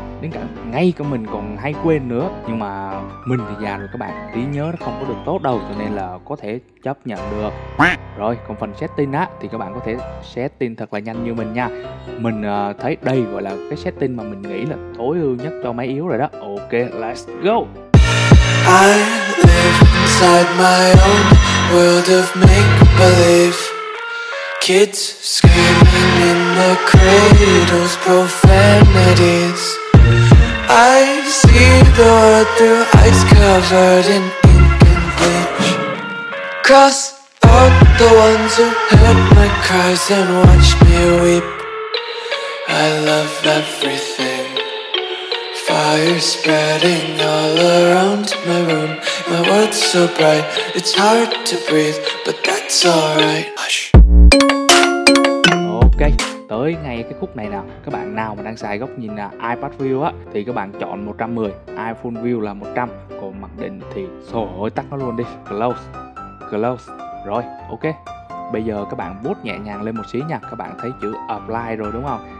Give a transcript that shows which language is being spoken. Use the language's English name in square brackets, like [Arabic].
[Vietnamese] Đến cả ngay cả mình còn hay quên nữa. Nhưng mà mình thì già rồi các bạn, trí nhớ nó không có được tốt đâu, cho nên là có thể chấp nhận được. Rồi, còn phần setting á, thì các bạn có thể setting thật là nhanh như mình nha. Mình thấy đây gọi là cái setting mà mình nghĩ là tối ưu nhất cho máy yếu rồi đó. [English] Ok, let's go. I live inside my own world of make-believe. Kids screaming in the cradles, profanities. I see the world through ice covered in ink and bleach. Cross out the ones who heard my cries and watched me weep. I love everything. Fire spreading all around my room. My world's so bright, it's hard to breathe, but that's alright. Hush. [Vietnamese] Ok, tới ngay cái khúc này nè. Các bạn nào mà đang xài góc nhìn iPad View á, thì các bạn chọn 110, iPhone View là 100. Còn mặc định thì trời ơi, tắt nó luôn đi. Close, close. Rồi, ok. Bây giờ các bạn boost nhẹ nhàng lên một xí nha. Các bạn thấy chữ Apply rồi đúng không?